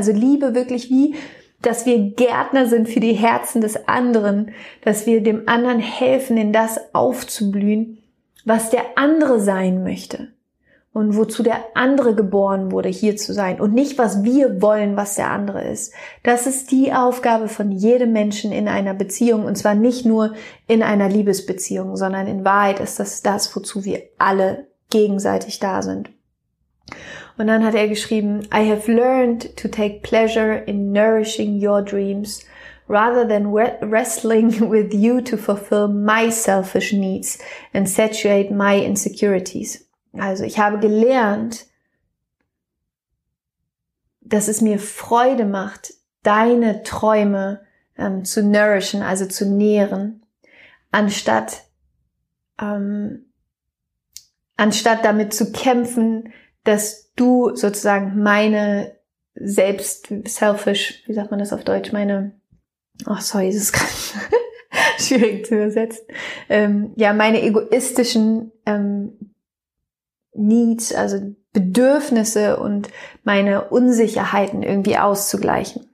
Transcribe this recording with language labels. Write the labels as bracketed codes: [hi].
[de] Also Liebe wirklich wie, dass wir Gärtner sind für die Herzen des anderen, dass wir dem anderen helfen, in das aufzublühen, was der andere sein möchte und wozu der andere geboren wurde, hier zu sein und nicht, was wir wollen, was der andere ist. Das ist die Aufgabe von jedem Menschen in einer Beziehung und zwar nicht nur in einer Liebesbeziehung, sondern in Wahrheit ist das das, wozu wir alle gegenseitig da sind. Und dann hat er geschrieben, [en] I have learned to take pleasure in nourishing your dreams rather than wrestling with you to fulfill my selfish needs and satiate my insecurities. [de] Also ich habe gelernt, dass es mir Freude macht, deine Träume zu nourishen, also zu nähren, anstatt damit zu kämpfen, dass du sozusagen meine meine egoistischen Needs, also Bedürfnisse und meine Unsicherheiten irgendwie auszugleichen.